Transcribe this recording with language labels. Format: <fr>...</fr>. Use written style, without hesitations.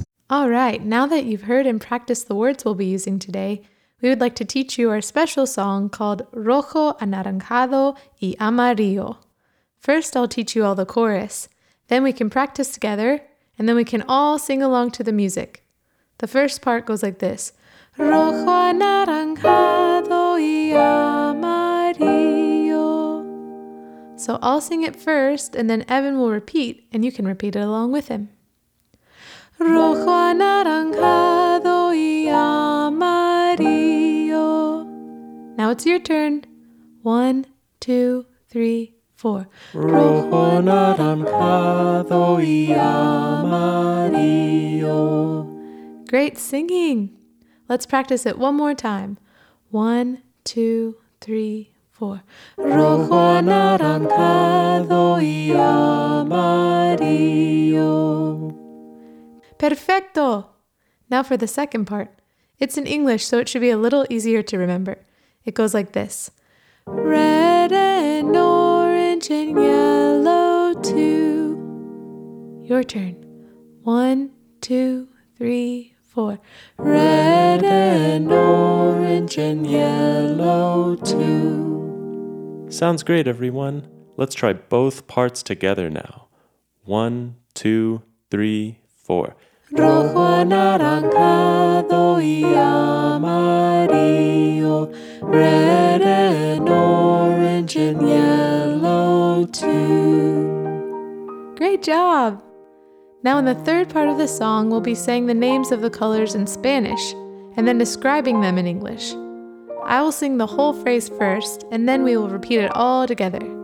<en>All right, now that you've heard and practiced the words we'll be using today, we would like to teach you our special song called Rojo, Anaranjado y Amarillo. First, I'll teach you all the chorus. Then we can practice together, and then we can all sing along to the music. The first part goes like this.</en> <es>Rojo, anaranjado y amarillo.</es> <en>So I'll sing it first, and then Evan will repeat, and you can repeat it along with him.</en> <es>Rojo, anaranjado y amarillo.</es> <en>Now it's your turn. 1, 2, 3, 4.</en> <es>Rojo, anaranjado y amarillo.</es> <en>Great singing. Let's practice it one more time. 1, 2, 3, 4.</en> <es>Rojo, anaranjado y amarillo.</es> <en>Perfecto! Now for the second part. It's in English, so it should be a little easier to remember. It goes like this. Red and orange and yellow too. Your turn. 1, 2, 3, 4. Red and orange and yellow too. Sounds great, everyone. Let's try both parts together now. 1, 2, 3, 4.</en> <es>Rojo, anaranjado y amarillo.</es> <en>Red and orange and yellow too. Great job! Now in the third part of the song, we'll be saying the names of the colors in Spanish, and then describing them in English. I will sing the whole phrase first, and then we will repeat it all together.</en>